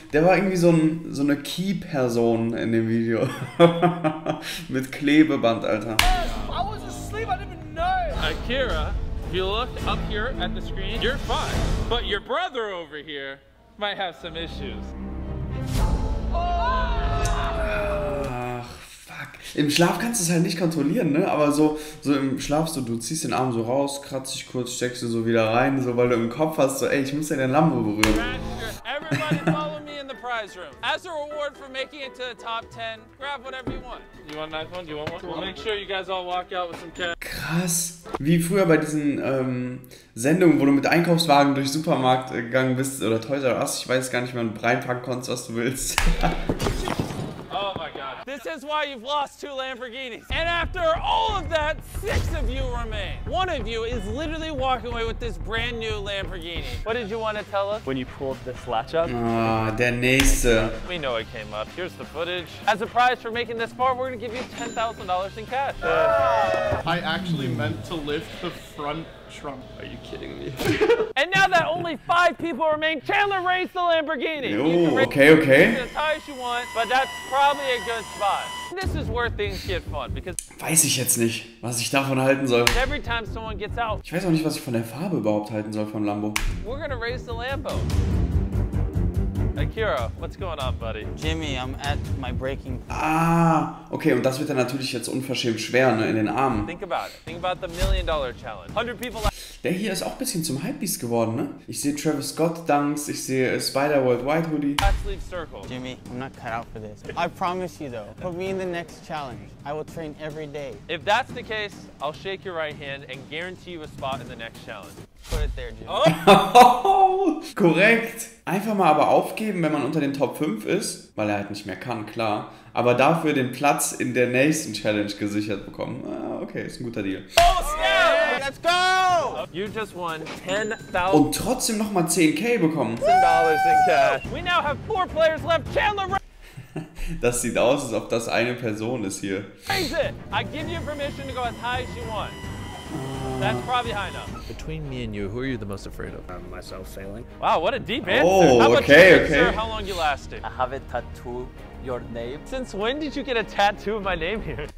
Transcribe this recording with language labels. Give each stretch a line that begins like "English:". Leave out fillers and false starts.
German: Der war irgendwie so eine Key-Person in dem Video. Mit Klebeband, Alter.
English: Yes, I was asleep, I didn't even know. Akira, if you look up here at the screen, you're fine. But your brother over here might have some issues.
German: Ach, fuck. Im Schlaf kannst du es halt nicht kontrollieren, ne? Aber so im Schlaf, so du ziehst den Arm so raus, kratzt dich kurz, steckst du so wieder rein, so weil du im Kopf hast, so ey, ich muss ja den Lambo berühren.
English: Everybody follow me in the prize room. As a reward for making it to the top 10, grab whatever you want. You want an iPhone? You want one? We'll make sure you guys all walk out with some cash.
German: Krass. Wie früher bei diesen Sendungen, wo du mit Einkaufswagen durch Supermarkt gegangen bist oder Toys R Us, ich weiß gar nicht mehr, und reinpacken konntest, was du willst.
English: This is why you've lost two Lamborghinis. And after all of that, six of you remain. One of you is literally walking away with this brand new Lamborghini. What did you want to tell us? When you pulled this latch up?
German: Der nächste.
English: We know it came up. Here's the footage. As a prize for making this far, we're gonna give you $10,000 in cash. I actually meant to lift the front trunk. Are you kidding me? And now that only five people remain, Chandler raised the Lamborghini. Okay. As high as you want, but that's probably a good spot. This is where things get fun because.
German: Weiß ich jetzt nicht, was ich davon halten soll.
English: Every time someone gets out.
German: Ich weiß auch nicht, was ich von der Farbe überhaupt halten soll von Lambo.
English: We're gonna raise the Lambo. Akira, what's going on, buddy? Jimmy, I'm at my breaking point.
German: Okay, und das wird dann natürlich jetzt unverschämt schwer, ne, in den Armen.
English: Think about it. Think about the $1 million challenge. 100 people.
German: Der hier ist auch ein bisschen zum Hypebeast geworden, ne? Ich sehe Travis Scott Dunks, ich sehe Spider World White Hoodie.
English: Last leg circle. Jimmy, I'm not cut out for this. I promise you though, put me in the next challenge. I will train every day. If that's the case, I'll shake your right hand and guarantee you a spot in the next challenge. Put it there, Jimmy.
German: Oh! Korrekt! Einfach mal aber aufgeben, wenn man unter den Top 5 ist, weil er halt nicht mehr kann, klar. Aber dafür den Platz in der nächsten Challenge gesichert bekommen. Okay, ist ein guter Deal.
English: Oh, snap! Let's go! You just won 10,000.
German: Und trotzdem nochmal 10k bekommen.
English: $10 in cash. We now have four players left. Chandler.
German: Das sieht aus, als ob das eine Person ist hier.
English: Raise it! I give you permission to go as high as you want. That's probably high enough. Between me and you, who are you the most afraid of? Myself failing. Wow, what a deep answer. Oh, okay, okay. Sir, how long you lasted? I have a tattoo your name. Since when did you get a tattoo of my name here?